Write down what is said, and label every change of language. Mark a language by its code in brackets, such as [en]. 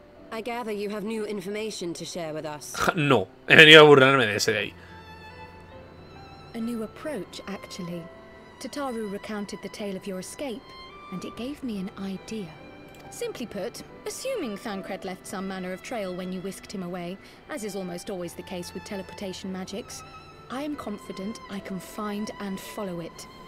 [en] I gather you have new information to share with us. [es] No, he venido a burlarme de ese de ahí. [en] A new approach, actually. Tataru recounted the tale of your escape, and it gave me an idea. Simply put, assuming Thancred left some manner of trail when you whisked him away, as is almost always the case with teleportation magics, I am confident I can find and follow it.